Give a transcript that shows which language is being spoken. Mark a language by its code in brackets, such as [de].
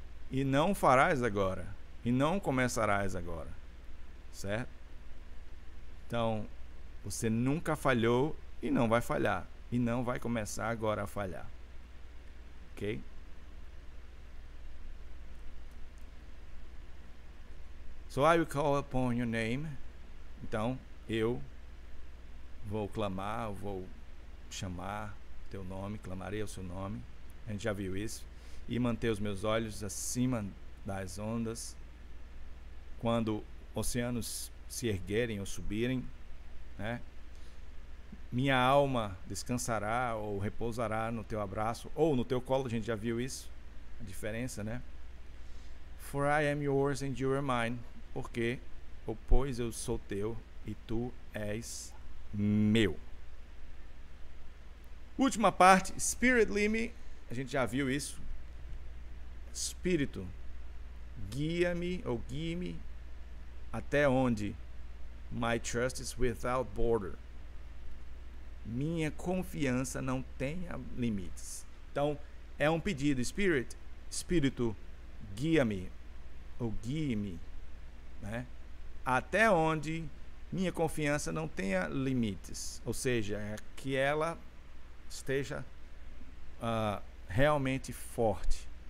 [pt] e não farás agora, e não começarás agora, certo? Então, você nunca falhou e não vai falhar, e não vai começar agora a falhar, ok? [en] So I will call upon your name. [pt] Então, eu vou clamar, vou chamar teu nome, clamarei o seu nome. A gente já viu isso. E manter os meus olhos acima das ondas. Quando oceanos se erguerem ou subirem, né? Minha alma descansará ou repousará no teu abraço ou no teu colo. A gente já viu isso. A diferença, né? [en] For I am yours and you are mine. [pt] Porque, ou pois eu sou teu e tu és meu. Última parte, [en] Spirit lead me. [pt] A gente já viu isso. Espírito, guia-me ou guie-me até onde? [en] My trust is without border. [pt] Minha confiança não tem limites. Então, é um pedido. Spirit, Espírito, guia-me ou guie-me. Né? Até onde minha confiança não tenha limites, ou seja, que ela esteja realmente forte.